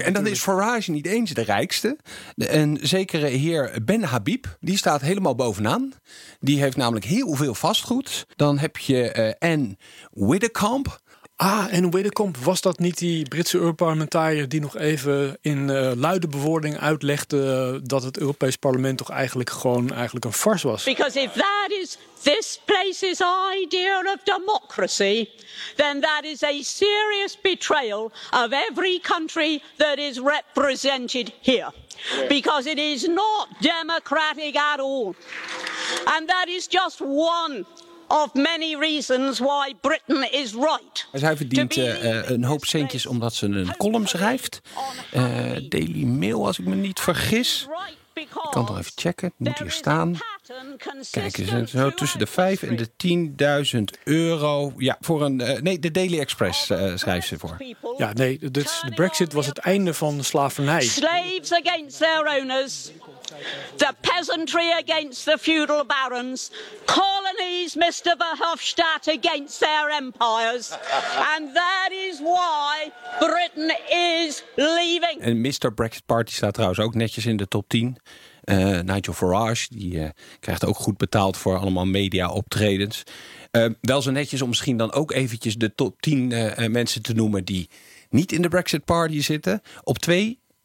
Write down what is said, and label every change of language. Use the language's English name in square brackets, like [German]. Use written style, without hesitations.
[Dutch] En dan is Farage niet eens de rijkste. Een zekere heer Ben Habib, die staat helemaal bovenaan. Die heeft namelijk heel veel vastgoed. Dan heb je Anne Widdecombe. Ah, en Widdecombe, was dat niet die Britse Europarlementariër die nog even in luide bewoording uitlegde dat het Europees Parlement toch eigenlijk gewoon eigenlijk een farce was? [English] Because if that is this place's idea of democracy, then that is a serious betrayal of every country that is represented here. Because it is not democratic at all. And that is just one of many reasons why Britain is right. [Dutch] Zij verdient een hoop centjes omdat ze een column schrijft. Daily Mail, als ik me niet vergis. Ik kan toch even checken, het moet hier staan. Kijk, ze zijn zo tussen de 5 en de 10.000 euro. Ja, voor een. De Daily Express schrijft ze voor. Ja, nee, dus de Brexit was het einde van de slavernij. [English] Slaves against their owners. The peasantry against the feudal barons. Colonies, Mr. Verhofstadt, against their empires. And that is why Britain is leaving. [Dutch] En Mr. Brexit Party staat trouwens ook netjes in de top 10. Nigel Farage, die krijgt ook goed betaald voor allemaal media optredens. Wel zo netjes om misschien dan ook eventjes de top 10 mensen te noemen die niet in de Brexit Party zitten. Op 2...